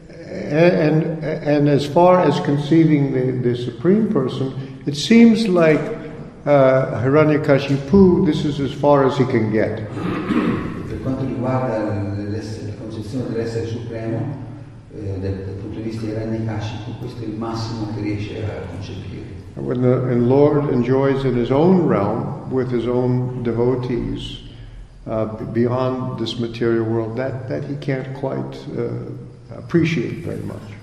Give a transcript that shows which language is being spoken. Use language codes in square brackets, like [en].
[en] And as far as conceiving the Supreme Person, it seems like Hiranyakashipu, this is as far as he can get. [it] Per quanto riguarda la concezione dell'essere supremo, dal punto di vista di Hiranyakashipu, questo è il massimo che riesce a concepire. [en] When the Lord enjoys in his own realm with his own devotees beyond this material world, that he can't quite appreciate very much.